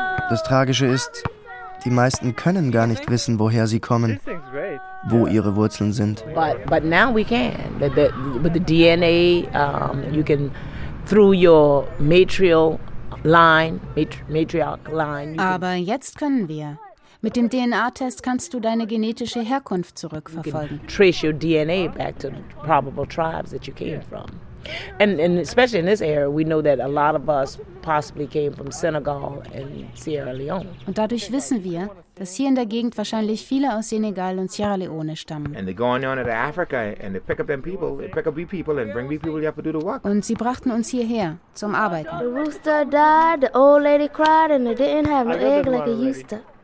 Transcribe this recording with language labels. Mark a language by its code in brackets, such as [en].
[de] Das Tragische ist, die meisten können gar nicht wissen, woher sie kommen, wo ihre Wurzeln sind. [en] But now we can. With the DNA, you can through your matriarch line. [de] Aber jetzt können wir. Mit dem DNA-Test kannst du deine genetische Herkunft zurückverfolgen. [en] You can trace your DNA back to the probable tribes that you came from. And especially in this area, we know that a lot of us possibly came from Senegal and Sierra Leone. [de] Und dadurch wissen wir, dass hier in der Gegend wahrscheinlich viele aus Senegal und Sierra Leone stammen. [en] And they go on to Africa and they pick up them people, they pick up we people and bring we people here to do the work. [de] Und sie brachten uns hierher zum Arbeiten. [en] The rooster died, the old lady cried and it didn't have an egg like it used to.